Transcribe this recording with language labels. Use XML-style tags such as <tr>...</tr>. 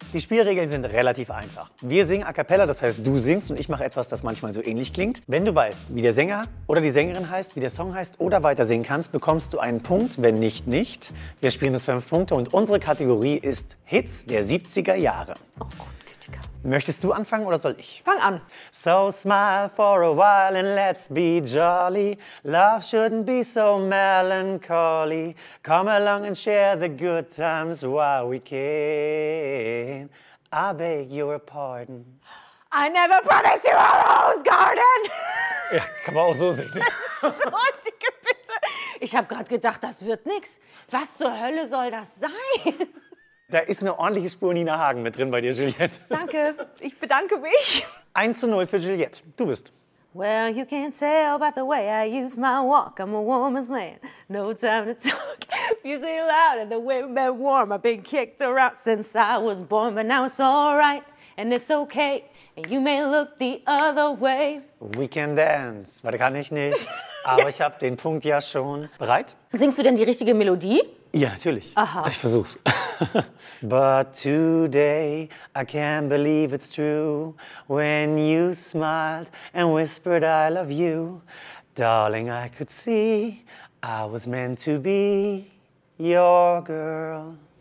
<de>Die Spielregeln sind relativ einfach. Wir singen a cappella, das heißt, du singst und ich mache etwas, das manchmal so ähnlich klingt. Wenn du weißt, wie der Sänger oder die Sängerin heißt, wie der Song heißt oder weiter singen kannst, bekommst du einen Punkt, wenn nicht, nicht. Wir spielen bis 5 Punkte und unsere Kategorie ist Hits der 70er Jahre. Möchtest du anfangen oder soll ich? Fang an.</de> <en>So smile for a while and let's be jolly. Love shouldn't be so melancholy. Come along and share the good times while we can. I beg your pardon. I never promised you a rose garden.</en> <de>Ja, kann man auch so sehen. Entschuldige bitte. Ich habe gerade gedacht, das wird nichts. Was zur Hölle soll das sein? Da ist eine ordentliche Spur Nina Hagen mit drin bei dir, Juliette. Danke, ich bedanke mich. 1-0 für Juliette, du bist.</de> <en>Well, you can't tell by the way I use my walk. I'm a woman's man, no time to talk. Music loud and the wind been warm. I've been kicked around since I was born. But now it's all right and it's okay. And you may look the other way. We can dance,</en> <de>weil da kann ich nicht. Aber ich hab den Punkt ja schon. Bereit? Singst du denn die richtige Melodie? Ja, natürlich. Aha. Ich versuch's.</de> <en>But today I can't believe it's true. When you smiled and whispered I love you. Darling, I could see I was meant to be your girl.</en>